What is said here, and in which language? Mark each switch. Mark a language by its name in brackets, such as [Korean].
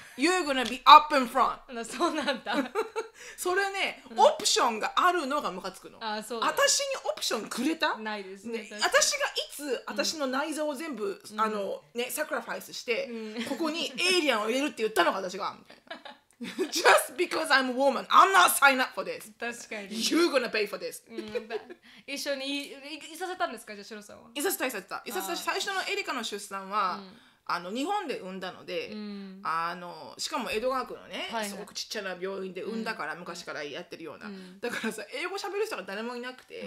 [English] You're gonna be up in front。 [Japanese] そうなんだ。それね、オプションがあるのがムカつくの。あ、そう、私にオプションくれた？ないですね。私がいつ私の内臓を全部、うん、あのね、サクラファイスして、うん、ここにエイリアンを入れるって言ったのか、私がみたいな。 [English] Just because I'm a woman, I'm not signing up for this. [Japanese] 確かに。 [English] You're gonna pay for this. [Japanese] 一緒に いさせたんですか、じゃあ、シロさんは。いさせた。いさせた。最初のエリカの出産は、うん、あの日本で産んだので、うん、あのしかも江戸川区のね、はいはい、すごくちっちゃな病院で産んだから、うん、昔からやってるような、うん、だからさ、英語喋る人が誰もいなくて、